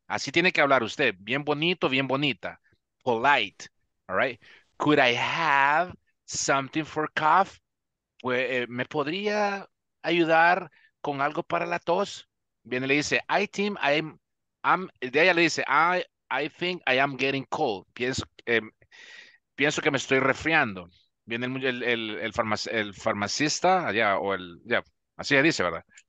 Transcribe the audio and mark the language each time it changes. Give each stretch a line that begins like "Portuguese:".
Spanish: Así tiene que hablar usted, bien bonito, bien bonita.
English: Polite, all right? Could I have something for cough?
Spanish: Pues, ¿me podría ayudar con algo para la tos? Viene le dice,
English: I think I am getting cold.
Spanish: Pienso que me estoy resfriando. Viene el farmacista allá o el ya, yeah, así le dice, ¿verdad?